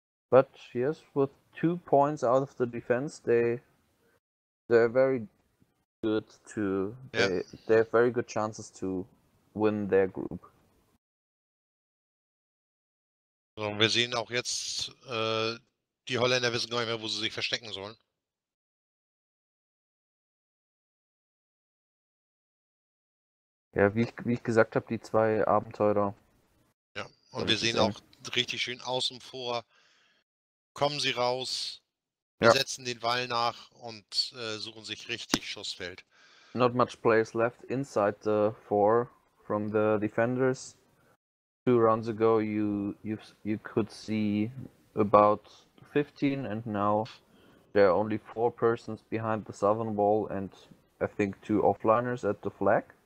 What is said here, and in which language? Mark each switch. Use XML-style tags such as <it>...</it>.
<en>But yes, with 2 points out of the defense, they're very good to yeah. they have very good chances to win their group.</en> <de>So, wir sehen auch jetzt, die Holländer wissen gar nicht mehr, wo sie sich verstecken sollen. Ja, wie ich gesagt habe, die 2 Abenteurer. Ja, und wir sehen auch richtig schön außen vor, kommen sie raus, ja. setzen den Wall nach und suchen sich richtig Schussfeld.</de> <en>Not much players left inside the 4 from the defenders. 2 rounds ago you could see about 15 and now there are only 4 persons behind the southern wall and I think 2 offliners at the flag.</en>